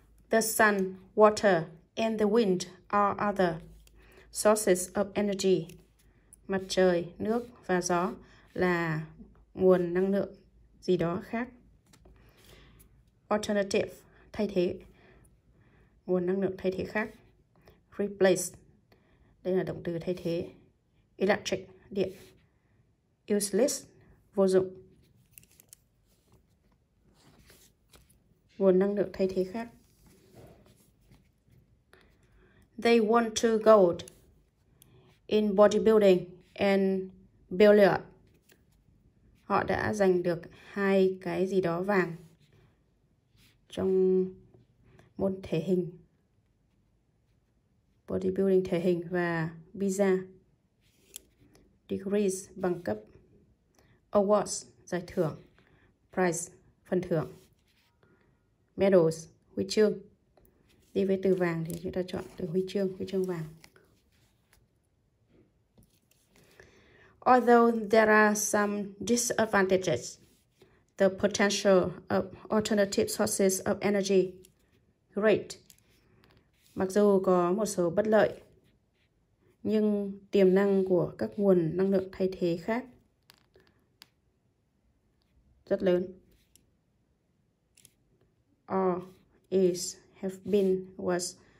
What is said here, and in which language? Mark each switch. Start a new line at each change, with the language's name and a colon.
English: The sun, water, and the wind are other sources of energy.
Vietnamese: Mặt trời, nước và gió là nguồn năng lượng gì đó khác. Alternative, thay thế. Nguồn năng lượng thay thế khác.
English: Replace,
Vietnamese: đây là động từ thay thế. Electric, điện. Useless, vô dụng. Nguồn năng lượng thay thế khác.
English: They want to gold in bodybuilding and billiard.
Vietnamese: Họ đã giành được 2 cái gì đó vàng trong môn thể hình, bodybuilding thể hình và visa. Degrees, bằng cấp. Awards, giải thưởng. Prize, phần thưởng. Medals, huy chương. Đi với từ vàng thì chúng ta chọn từ huy chương vàng.
English: Although there are some disadvantages, the potential of alternative sources of energy, great.
Vietnamese: Mặc dù có một số bất lợi, nhưng tiềm năng của các nguồn năng lượng thay thế khác rất lớn.
English: Or is, have been, was.